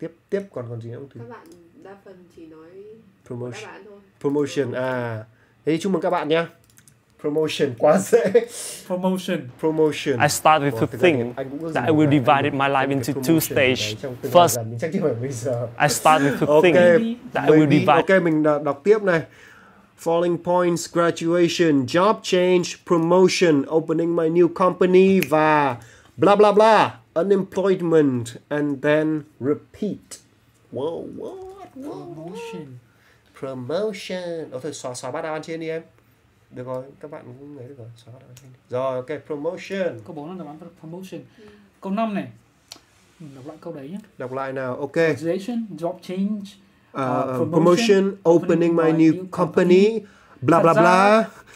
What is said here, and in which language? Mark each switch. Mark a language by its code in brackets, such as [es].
[vi] Tiếp còn gì nữa không Thúy? Các bạn đa phần chỉ nói [en] Promotion. [vi] Thế thì chúc mừng các bạn nhé. Promotion quá dễ. [en] Promotion. I started with the thing that I will divide my life into two stages. First, I started with the thing that I will divide. [vi] Okay, mình đọc tiếp này. [en] Falling points, graduation, job change, promotion, opening my new company và blah blah blah, unemployment, and then repeat. Whoa, what? Promotion. Promotion. [vi] Ôi thôi, xóa bát đáp án trên đi em. Được rồi, các bạn cũng nghe được rồi. Xóa bát đáp án trên đi. Rồi, ok, promotion. Câu 4 là đáp án promotion. Câu 5 này. Đọc lại câu đấy nhé. Đọc lại nào, ok. [en] Graduation, job change, promotion, opening my new company. Blah, blah, blah.